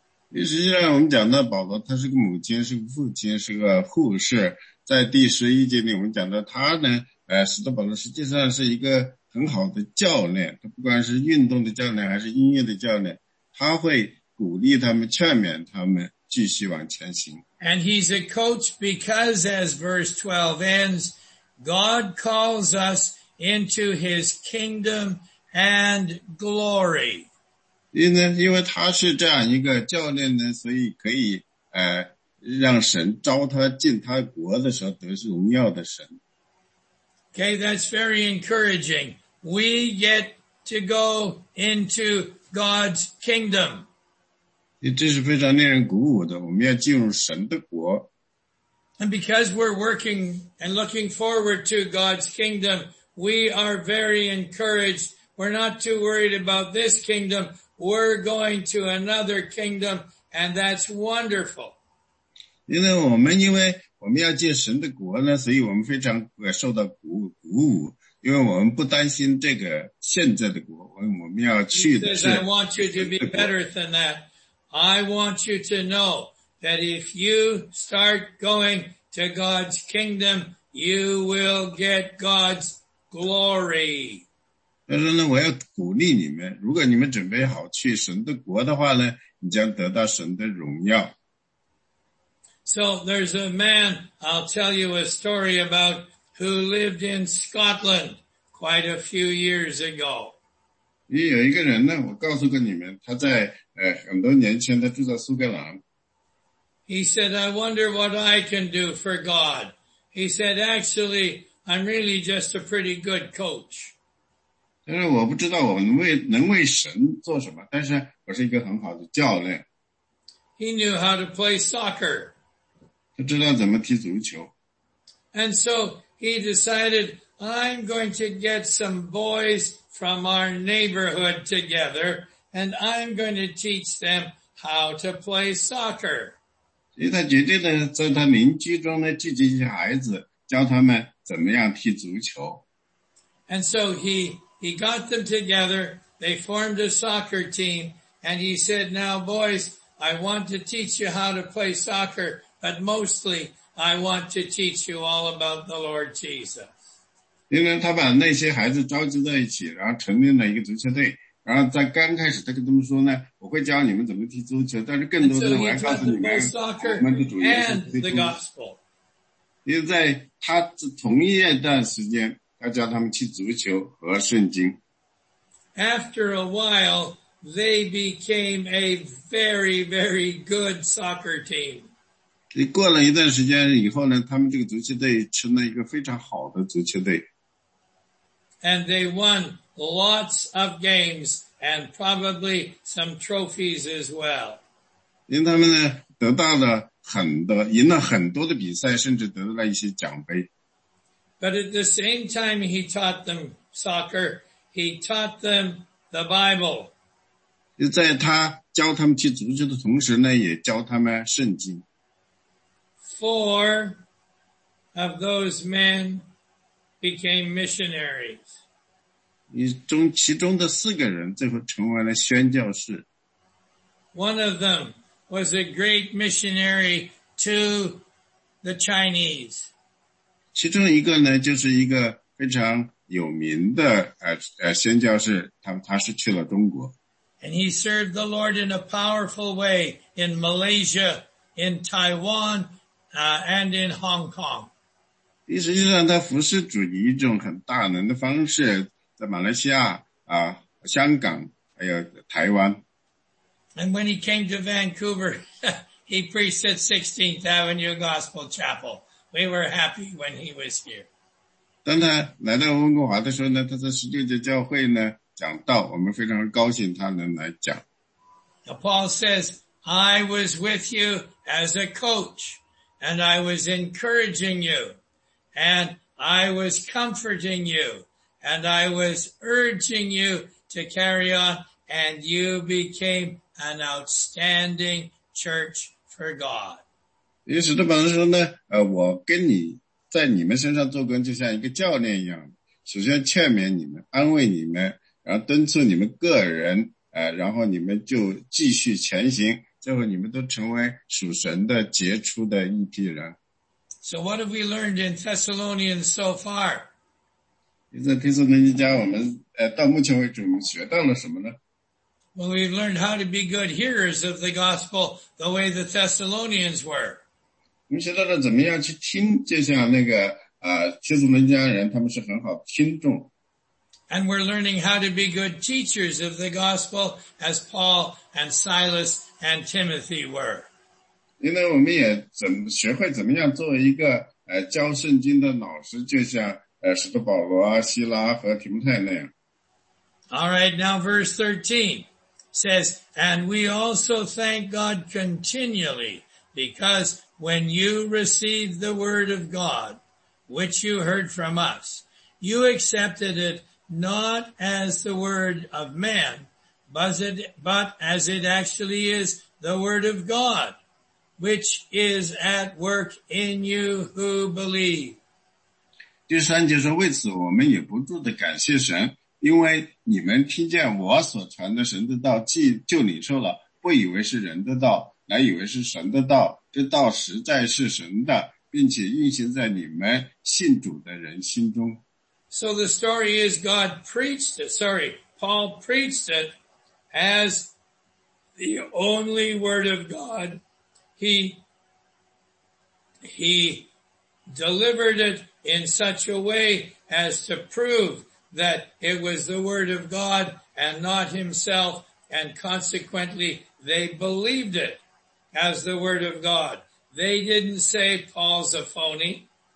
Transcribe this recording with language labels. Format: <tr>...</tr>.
<zh>于实际上我们讲到保罗他是个母亲是个父亲是个护士在第十一节里我们讲到他呢使徒保罗实际上是一个很好的教练他不管是运动的教练还是音乐的教练他会鼓励他们劝勉他们继续往前行</zh> <en>And he's a coach because as verse 12 ends God calls us into his kingdom and glory</en> <zh>因为他是这样一个教练呢所以可以让神招他进他国的时候得是荣耀的神。</zh> <en>Okay, that's very encouraging. We get to go into God's kingdom.</en> <zh>这是非常令人鼓舞的我们要进入神的国。</zh> <en>And because we're working and looking forward to God's kingdom, we are very encouraged. We're not too worried about this kingdom. We're going to another kingdom, and that's wonderful.</en> <zh>因为我们要进神的国呢，所以我们非常受到鼓舞，因为我们不担心这个现在的国，我们要去的是。</zh> <en>He says, I want you to be better than that. I want you to know that if you start going to God's kingdom, you will get God's glory.</en> <zh>但是呢，我要鼓励你们，如果你们准备好去神的国的话呢，你将得到神的荣耀。</zh> <en>So there's a man, I'll tell you a story about, who lived in Scotland quite a few years ago.</en> <zh>有一个人呢，我告诉过你们，他在很多年前他住在苏格兰。</zh> <en>He said, I wonder what I can do for God. He said, actually, I'm really just a pretty good coach.</en> <zh>但是我不知道我能为神做什么，但是我是一个很好的教练。</zh> <en>He knew how to play soccer.</en> <zh>他知道怎么踢足球。</zh> <en>And so he decided, I'm going to get some boys from our neighborhood together, and I'm going to teach them how to play soccer.</en> <zh>所以他决定呢，在他邻居中呢，聚集一些孩子，教他们怎么样踢足球。</zh> <en>And so he got them together, they formed a soccer team, and he said, now boys, I want to teach you how to play soccer, but mostly I want to teach you all about the Lord Jesus.</en> <zh>因为他把那些孩子召集在一起，然后成立了一个足球队，然后在刚开始他跟他们说呢，我会教你们怎么踢足球，但是更多的我要告诉你们，我们的主耶稣基督。</zh> <en>And the gospel.</en> <zh>因为在他同一段时间，他教他们踢足球和圣经。</zh> <en>After a while, they became a very, very good soccer team.</en> <zh>过了一段时间以后呢，他们这个足球队成了一个非常好的足球队。</zh> <en>And they won lots of games and probably some trophies as well.</en> <zh>因为他们呢，得到了很多，赢了很多的比赛，甚至得到了一些奖杯。</zh> <en>But at the same time he taught them soccer, he taught them the Bible.</en> <zh>在他教他们踢足球的同时呢，也教他们圣经。</zh> <en>Four of those men became missionaries.</en> <zh>其中的四个人最后成为了宣教士。</zh> <en>One of them was a great missionary to the Chinese.</en> <zh>其中一个呢，就是一个非常有名的宣教士，他是去了中国。</zh> <en>And he served the Lord in a powerful way in Malaysia, in Taiwan, and in Hong Kong.</en> <zh>实际上他服侍主以一种很大能的方式，在马来西亚、香港还有台湾。</zh> <en>And when he came to Vancouver, he preached at 16th Avenue Gospel Chapel. We were happy when he was here.</en> <zh>当他来到温哥华的时候呢，他在十六届教会呢讲道，我们非常高兴他能来讲。</zh> <en>Now Paul says, I was with you as a coach, and I was encouraging you, and I was comforting you, and I was urging you to carry on, and you became an outstanding church for God.</en> <zh>因为使徒保罗说呢，我跟你在你们身上做工，就像一个教练一样，首先劝勉你们，安慰你们，然后敦促你们个人，然后你们就继续前行，最后你们都成为属神的杰出的一批人。</zh> <en>So what have we learned in Thessalonians so far?</en> <zh>在提撒罗尼迦，我们到目前为止我们学到了什么呢？</zh> <en>Well, we've learned how to be good hearers of the gospel the way the Thessalonians were.</en> <zh>我们学到了怎么样去听，就像那个帖撒罗尼迦人，他们是很好的听众。</zh> <en>And we're learning how to be good teachers of the gospel, as Paul and Silas and Timothy were.</en> <zh>因为我们也学会怎么样作为一个教圣经的老师，就像使徒保罗、希拉和提摩太那样。</zh> <en>All right, now verse 13 says, "And we also thank God continually because." When you received the word of God, which you heard from us, you accepted it not as the word of man, but as it actually is the word of God, which is at work in you who believe.</en> <zh>第三节说，为此我们也不住地感谢神，因为你们听见我所传的神的道，既就领受了，不以为是人的道，乃以为是神的道。这道实在是神的，并且运行在你们信主的人心中。</zh> <en>So the story is God preached it, sorry, Paul preached it as the only word of God. He delivered it in such a way as to prove that it was the word of God and not himself, and consequently they believed it.As the word of God. They didn't say Paul's a phony.</en>